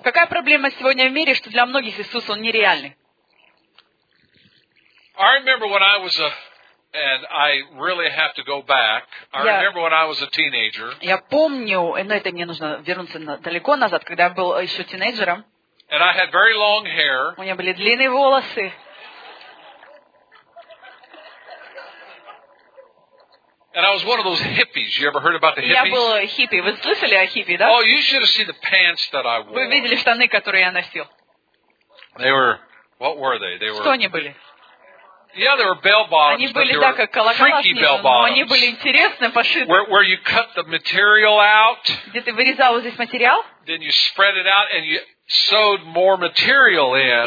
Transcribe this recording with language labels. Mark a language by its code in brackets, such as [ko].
[ru] Какая проблема сегодня в мире, что для многих Иисус он нереальный? [en] I remember when I was a, and I really have to go back. Remember when I was a teenager. [ru] Я помню, но это мне нужно вернуться далеко назад, когда я был еще тинейджером. [en] And I had very long hair. [ru] У меня были длинные волосы. [en] And I was one of those hippies. You ever heard about the hippies? [ru] Я был хиппи. Вы слышали о хиппи, да? [en] Oh, you should have seen the pants that I wore. [ru] Вы видели штаны, которые я носил? [en] They were. What were they? They were. [ru] Что они были? [en] Yeah, they were bell bottoms. [ru] Они были так, как колоколовки, но они были интересны, пошиты. [en] Where you cut the material out? [ru] Где ты вырезал вот здесь материал? [en] Then you spread it out and you sewed more material in.